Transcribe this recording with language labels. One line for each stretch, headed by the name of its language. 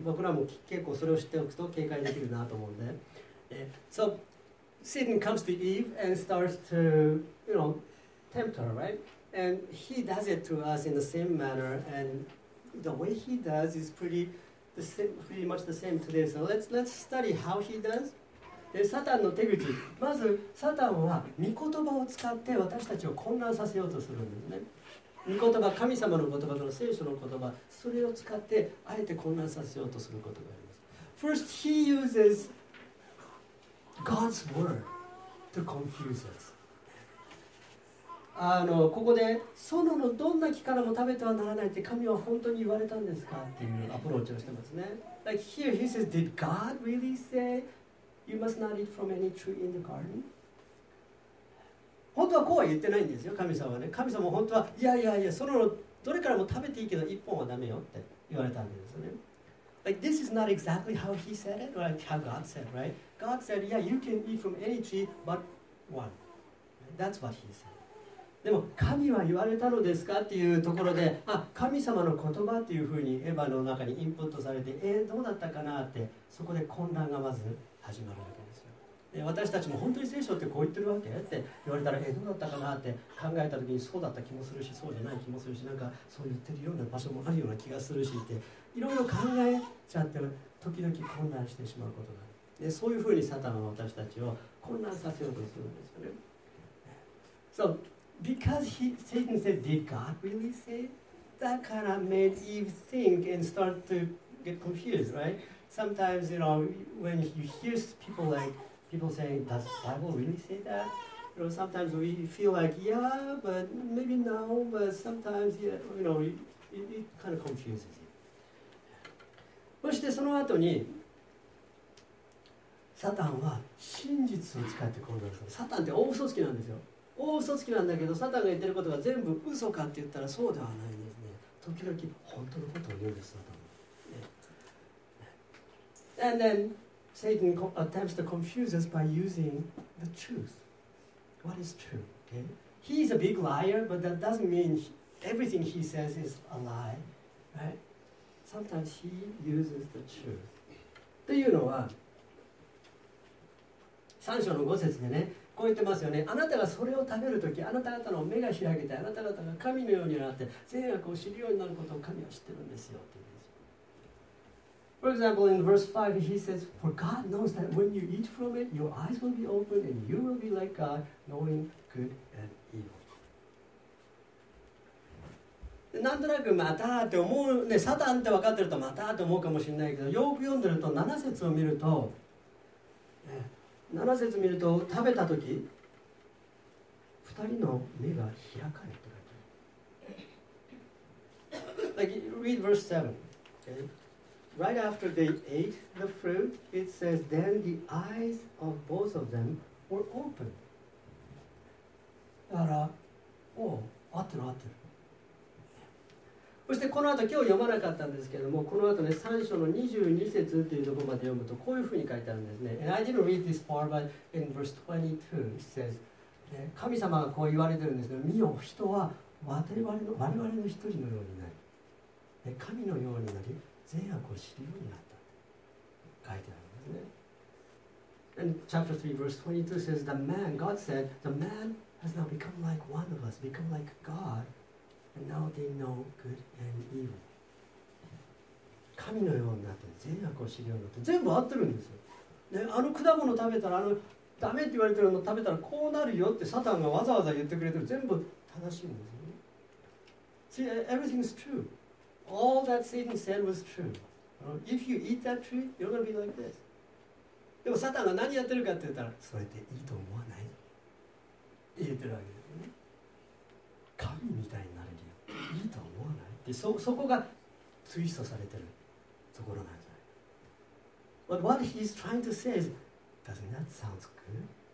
Japanese: 僕らも結構それを知っておくと警戒できるなと思うんで。
English: So, Satan comes to Eve and starts to, you know, tempt her, right? And he does it to us in the same manner. And the way he does is pretty much the same today. So let's study how he does.
Japanese: で、サタンの手口。まず、サタンは御言葉を使って私たちを混乱させようとするんですね。御言葉、神様の言葉とか聖書の言葉、それを使ってあえて混乱させようとすることがあります。
English: First, he uses God's word to confuse us.
Japanese: ここで、園のどんな木からも食べてはならないって神は本当に言われたんですかっていうアプローチをしてますね。
English: Like here, he says, did God really say you must not eat from any tree in the garden?
Japanese: 本当はこうは言ってないんですよ、神様はね。神様は本当は、いやいやいや、そのどれからも食べていいけど、一本はダメよって言われたんですよね。
English: Like, this is not exactly how he said it, or like how God said, right? God said, yeah, you can eat from any tree but one. That's what he said.
Japanese: でも、神は言われたのですかっていうところで、あ、神様の言葉っていうふうにエヴァの中にインプットされて、どうだったかなって、そこで混乱がまず始まるわけですよ。で私たちも本当に聖書ってこう言ってるわけって言われたら、どうだったかなって考えた時に、そうだった気もするし、そうじゃない気もするし、なんかそう言ってるような場所もあるような気がするしって、いろいろ考えちゃって時々混乱してしまうことがある。でそういうふうにサタンは私たちを混乱させようとするんですよね。
English: So because Satan said did God really say that kind of made Eve think and start to get confused, right? Sometimes, you know, when you hear people likePeople say, does the Bible really say that? You know, sometimes we feel like, yeah, but maybe no, but sometimes, yeah, you know, it kind of confuses you.
Japanese: そしてその後に、サタンは真実を使って行動する。サタンって大嘘つきなんですよ。大嘘つきなんだけど、サタンが言ってることが全部嘘かって言ったらそうではないですね。時々本当のことを言うんです、サタン。
English: Yeah. And then,Satan attempts to confuse us by using the truth. What is true? Okay? He is a big liar, but that doesn't mean everything he says is a lie. Right? Sometimes he uses the truth.
Japanese: というのは、3章の5節でね、こう言ってますよね。あなたがそれを食べるとき、あなた方の目が開けて、あなた方が神のようになって、善悪を知るようになることを神は知ってるんですよ。
English: For example, in verse 5, he says, For God knows that when you eat from it, your eyes will be opened and you will be like God, knowing good and evil.
Japanese: なんとなくまたって思うね、サタンって分かってるとまたって思うかもしれないけど、よく読んでると7節を見ると、ね、7節見ると食べた時、2人の目が開かれてる。
English: Like, read verse 7. Okay. Right after they ate the fruit, it says, then the eyes of both of them were opened.
Japanese: だから、おお、合ってる合ってる。そしてこの後、今日読まなかったんですけれども、この後ね、3章の22節というところまで読むと、こういうふうに書いてあるんですね。
English: And I didn't read this part, but in verse 22, it says,
Japanese: 神様がこう言われてるんですけど、見よ、人は我々の一人のようになり、神のようになり、善悪を知るようになったって書いてあるんですね。
English: And chapter 3 verse 22 says, The man, God said, The man has now become like one of us, become like God, and now they know good and evil.
Japanese: 神のようになった、善悪を知るようになった、全部合ってるんですよ。あの果物食べたら、あのダメって言われてるの食べたらこうなるよってサタンがわざわざ言ってくれてる、全部正しいんですよね。
English: See, everything's true. All that Satan said was true. If you eat that tree, you're gonna be like this.
Japanese: でもサタンが何やってるかって言ったら、それっていいと思わない？って言ってるわけですね。神みたいになれるよ。いいと思わない？ってそこがツイストされてるところなんじゃない。
English: But what he's trying to say is, doesn't that sound good?